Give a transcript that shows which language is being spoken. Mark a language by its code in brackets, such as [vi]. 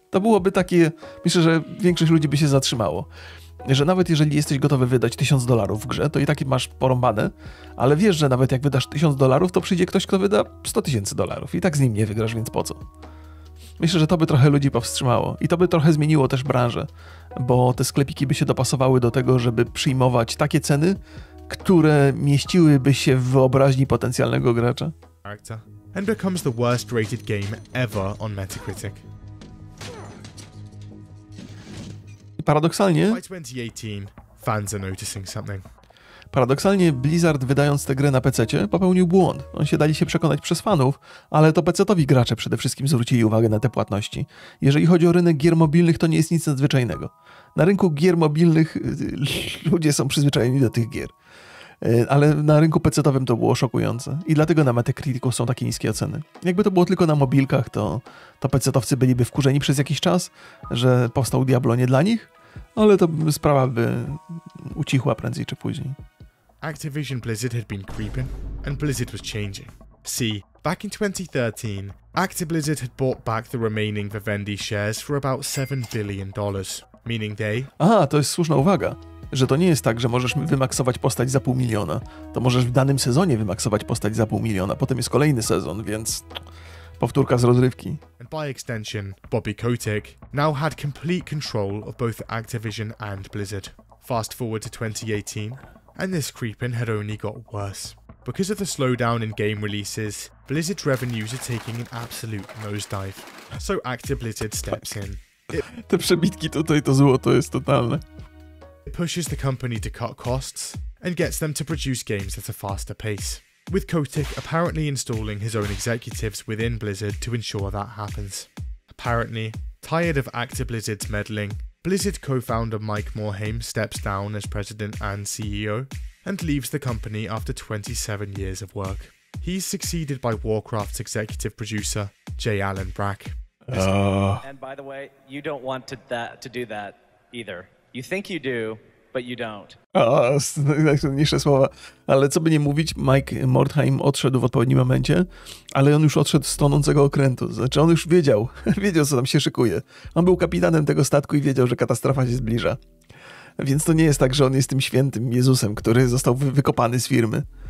[pl] To byłoby takie, myślę, że większość ludzi by się zatrzymało, że nawet jeżeli jesteś gotowy wydać $1,000 w grze, to i tak masz porąbane, ale wiesz, że nawet jak wydasz $1,000, to przyjdzie ktoś, kto wyda $100,000 i tak z nim nie wygrasz, więc po co? Myślę, że to by trochę ludzi powstrzymało i to by trochę zmieniło też branżę, bo te sklepiki by się dopasowały do tego, żeby przyjmować takie ceny, które mieściłyby się w wyobraźni potencjalnego gracza. [en] And becomes the worst rated game ever on Metacritic. [pl] Paradoksalnie... [en] By 2018, fans are noticing something. [pl] Paradoksalnie Blizzard, wydając tę grę na PC-cie, popełnił błąd. On się dali się przekonać przez fanów, ale to PC-towi gracze przede wszystkim zwrócili uwagę na te płatności. Jeżeli chodzi o rynek gier mobilnych, to nie jest nic nadzwyczajnego. Na rynku gier mobilnych ludzie są przyzwyczajeni do tych gier. Ale na rynku PC-towym to było szokujące. I dlatego na Metacriticu są takie niskie oceny. Jakby to było tylko na mobilkach, to PC-towcy byliby wkurzeni przez jakiś czas, że powstał Diablo nie dla nich. Ale to sprawa by ucichła prędzej czy później. [en] Activision Blizzard had been creeping, and Blizzard was changing. See, back in 2013, ActiBlizzard had bought back the remaining Vivendi shares for about $7 billion, meaning they... [pl] Aha, to jest słuszna uwaga, że to nie jest tak, że możesz wymaksować postać za $500,000. To możesz w danym sezonie wymaksować postać za $500,000, potem jest kolejny sezon, więc... Powtórka z rozrywki. [en] And by extension, Bobby Kotick now had complete control of both Activision and Blizzard. Fast forward to 2018, and this creeping had only got worse. Because of the slowdown in game releases, Blizzard's revenues are taking an absolute nosedive. So ActiBlizzard steps in. [pl] Te przebitki tutaj to złoto jest totalne. [en] It pushes the company to cut costs and gets them to produce games at a faster pace. With Kotick apparently installing his own executives within Blizzard to ensure that happens. Apparently, tired of ActiBlizzard's meddling, Blizzard co-founder Mike Morhaime steps down as president and CEO and leaves the company after 27 years of work. He's succeeded by Warcraft's executive producer, J. Allen Brack. And by the way, you don't want to do that either. You think you do, but you don't. [pl] Najsłynniejsze słowa. Ale co by nie mówić, Mike Morhaime odszedł w odpowiednim momencie, ale on już odszedł z tonącego okrętu. Znaczy on już wiedział co tam się szykuje. On był kapitanem tego statku i wiedział, że katastrofa się zbliża. Więc to nie jest tak, że on jest tym świętym Jezusem, który został wykopany z firmy.